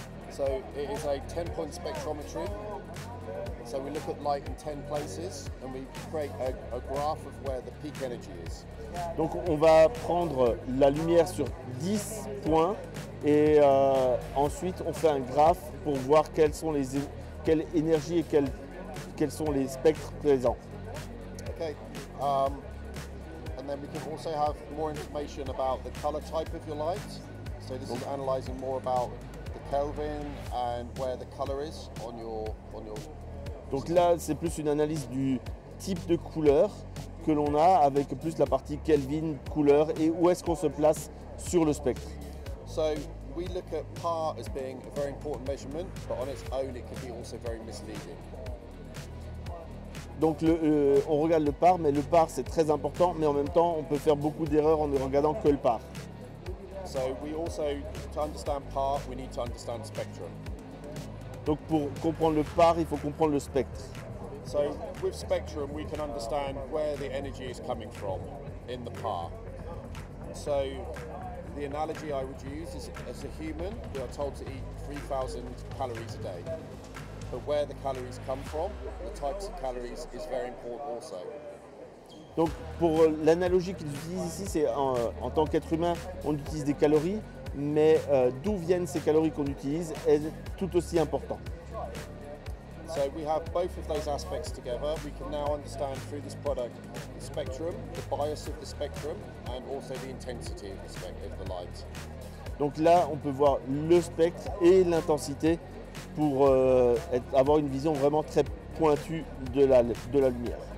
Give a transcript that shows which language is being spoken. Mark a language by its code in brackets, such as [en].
[en] So it is a 10-point spectrometry. So we look at light in 10 places, and we create a graph of where the peak energy is. [fr] Donc on va prendre la lumière sur 10 points, et ensuite on fait un graphe pour voir quelles sont les quelles énergies et quels sont les spectres présents. [en] And then we can also have more information about the color type of your light. So this is analyzing more about the Kelvin and where the color is on your. [fr] Donc là, c'est plus une analyse du type de couleur que l'on a avec plus la partie Kelvin, couleur et où est-ce qu'on se place sur le spectre. [en] So we look at par as being a very important measurement, but on its own it can be also very misleading. [fr] Donc on regarde le par, mais le par c'est très important, mais en même temps on peut faire beaucoup d'erreurs en ne regardant que le par. [en] So we also, to understand par, we need to understand spectrum. [fr] Donc pour comprendre le par, il faut comprendre le spectre. [en] So with spectrum, we can understand where the energy is coming from in the par. So the analogy I would use is as a human, we are told to eat 3,000 calories a day. But where the calories come from, the types of calories is very important also. [fr] Donc pour l'analogie qu'ils utilisent ici, c'est en tant qu'être humain, on utilise des calories, mais d'où viennent ces calories qu'on utilise est tout aussi important. [en] So we have both of those aspects together. We can now understand through this product the spectrum, the bias of the spectrum, and also the intensity of the light. [fr] Donc là, on peut voir le spectre et l'intensité pour avoir une vision vraiment très pointue de la lumière.